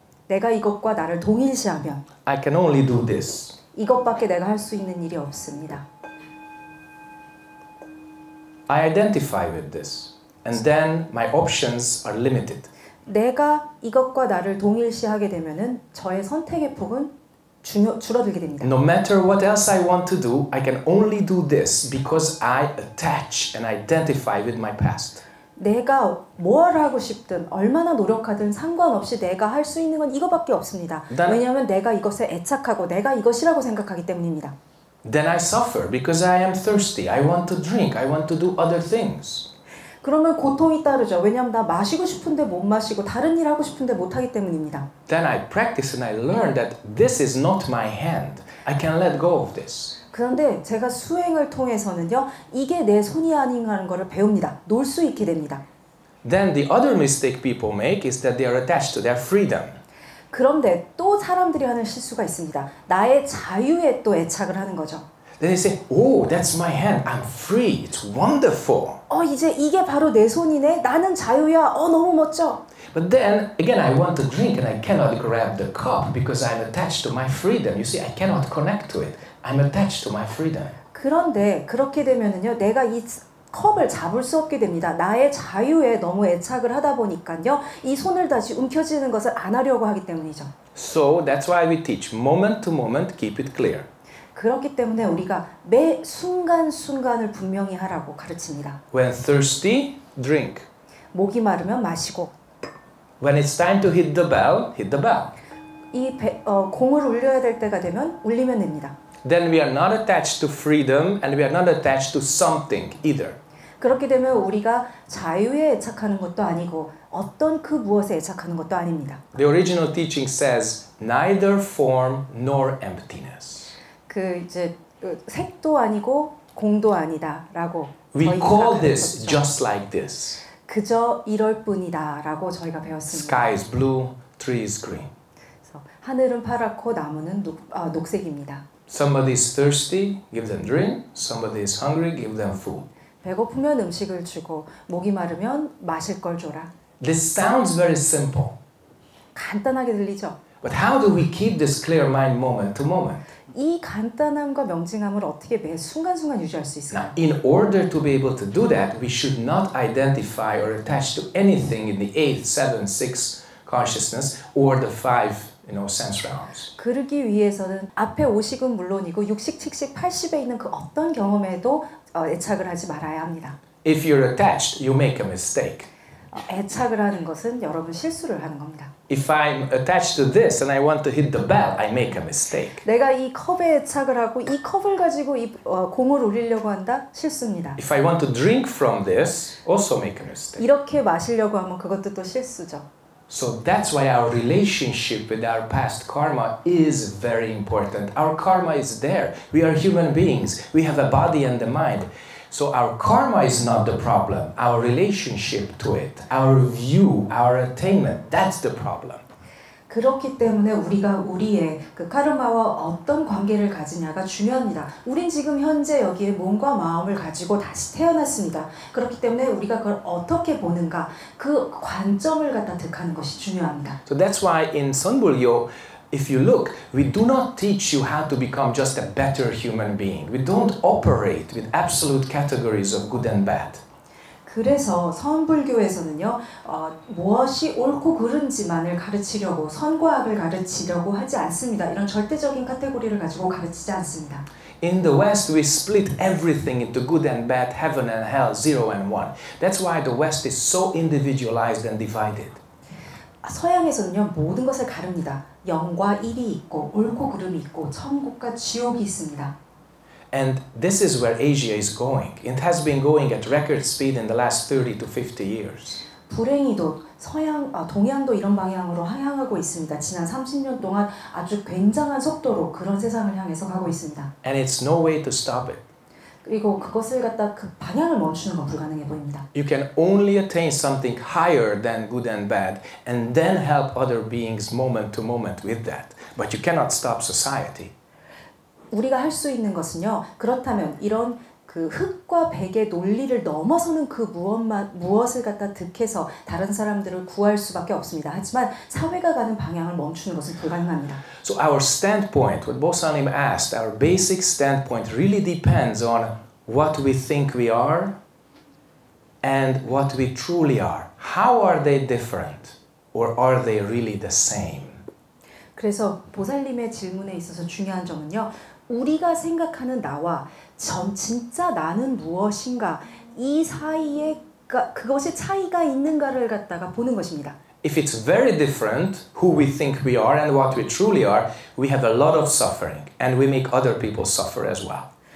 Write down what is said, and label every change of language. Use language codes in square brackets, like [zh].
[ko] 내가 이것과 나를 동일시하면 [en] I can only do this. [ko] 이것밖에 내가 할 수 있는 일이 없습니다. [en] I identify with this and then my options are limited. [ko] 내가 이것과 나를 동일시하게 되면은 저의 선택의 폭은 줄어들게 됩니다. [en] No matter what else I want to do, I can only do this because I attach and identify with my past. [ko] 내가 뭘 하고 싶든 얼마나 노력하든 상관없이 내가 할 수 있는 건 이것밖에 없습니다. 왜냐하면 내가 이것에 애착하고 내가 이것이라고 생각하기 때문입니다. [en] Then I suffer because I am thirsty. I want to drink. I want to do other things. [ko] 그러면 고통이 따르죠. 왜냐하면 나 마시고 싶은데 못 마시고 다른 일 하고 싶은데 못 하기 때문입니다. [en] Then I practice and I learn that this is not my hand. I can let go of this. [ko] 그런데 제가 수행을 통해서는요, 이게 내 손이 아닌가는 것을 배웁니다. 놀 수 있게 됩니다. [en] Then the other mistake people make is that they are attached to their freedom. [ko] 그런데 또 사람들이 하는 실수가 있습니다. 나의 자유에 또 애착을 하는 거죠. [en] Then they say, oh, that's my hand. I'm free. It's wonderful. [ko] 이제 이게 바로 내 손이네. 나는 자유야. 너무 멋져. [en] But then, again, I want to drink and I cannot grab the cup because I'm attached to my freedom. You see, I cannot connect to it. I'm attached to my freedom. [ko] 그런데 그렇게 되면은요, 내가 이 컵을 잡을 수 없게 됩니다. 나의 자유에 너무 애착을 하다 보니까요, 이 손을 다시 움켜쥐는 것을 안 하려고 하기 때문이죠. [en] So that's why we teach moment to moment, keep it clear. [ko] 그렇기 때문에 우리가 매 순간 순간을 분명히 하라고 가르칩니다. [en] When thirsty, drink. [ko] 목이 마르면 마시고. [en] When it's time to hit the bell, hit the bell. [ko] 공을 울려야 될 때가 되면 울리면 됩니다. [en] Then we are not attached to freedom and we are not attached to something either. [ko] 그렇게 되면 우리가 자유에 애착하는 것도 아니고 어떤 그 무엇에 애착하는 것도 아닙니다. [en] The original teaching says neither form nor emptiness. [ko] 그 이제 색도 아니고 공도 아니다라고 [en] We call this just like this. [ko] 그저 이럴 뿐이다라고 저희가 배웠습니다. [en] Sky is blue, tree is green. [ko] 하늘은 파랗고 나무는 녹색입니다. [en] Somebody is thirsty, give them drink. Somebody is hungry, give them food. [ko] 배고프면 음식을 주고 목이 마르면 마실 걸 줘라. [en] This sounds very simple. [ko] 간단하게 들리죠? [en] But how do we keep this clear mind moment to moment? [ko] 이 간단함과 명징함을 어떻게 매 순간순간 유지할 수 있을까요? [en] Now, in order to be able to do that, we should not identify or attach to anything in the 8th, 7th, 6th consciousness or the 5, you know, sense realms. [ko] 그러기 위해서는 앞에 50은 물론이고 60, 70, 80에 있는 그 어떤 경험에도 애착을 하지 말아야 합니다. [en] If you're attached, you make a mistake. [ko] 애착을 하는 것은 여러분 실수를 하는 겁니다. [en] If I'm attached to this and I want to hit the bell, I make a mistake. [ko] 내가 이 컵에 애착을 하고 이 컵을 가지고 이 공을 울리려고 한다? 실수입니다. [en] If I want to drink from this, also make a mistake. [ko] 이렇게 마시려고 하면 그것도 또 실수죠. [en] So that's why our relationship with our past karma is very important. Our karma is there. We are human beings. We have a body and a mind. So our karma is not the problem. Our relationship to it, our view, our attainment, that's the problem. [ko] 그렇기 때문에 우리가 우리의 그 카르마와 어떤 관계를 가지냐가 중요합니다. 우린 지금 현재 여기에 몸과 마음을 가지고 다시 태어났습니다. 그렇기 때문에 우리가 그걸 어떻게 보는가, 그 관점을 갖다 득하는 것이 중요합니다. [en] So that's why in Chonbul Yo, if you look, we do not teach you how to become just a better human being. We don't operate with absolute categories of good and bad. [ko] 그래서 선불교에서는요, 무엇이 옳고 그른지만을 가르치려고, 선과 악을 가르치려고 하지 않습니다. 이런 절대적인 카테고리를 가지고 가르치지 않습니다. [en] In the West, we split everything into good and bad, heaven and hell, zero and one. That's why the West is so individualized and divided. [ko] 서양에서는요, 모든 것을 가릅니다. 영과 일이 있고, 옳고 그름이 있고, 천국과 지옥이 있습니다. [en] And this is where Asia is going. It has been going at record speed in the last 30 to 50 years. [ko] 불행히도 서양, 동양도 이런 방향으로 향하고 있습니다. 지난 30년 동안 아주 굉장한 속도로 그런 세상을 향해서 가고 있습니다. [en] And it's no way to stop it. [ko] 그리고 그것을 갖다 그 방향을 멈추는 건 불가능해 보입니다. [en] You can only attain something higher than good and bad and then help other beings moment to moment with that. But you cannot stop society. [ko] 우리가 할 수 있는 것은요. 그렇다면 이런 그 흑과 백의 논리를 넘어서는 그 무엇을 갖다 득해서 다른 사람들을 구할 수밖에 없습니다. 하지만 사회가 가는 방향을 멈추는 것은 불가능합니다. [en] So our standpoint, what Bosanim asked, our basic standpoint really depends on what we think we are and what we truly are. How are they different or are they really the same? [ko] 그래서 보살님의 질문에 있어서 중요한 점은요. 우리가 생각하는 나와 진짜 나는 무엇인가 이 사이에 그것의 차이가 있는가를 갖다가 보는 것입니다. [en] If it's very different who we think we are and what we truly are, we have a lot of suffering and we make other people suffer as well.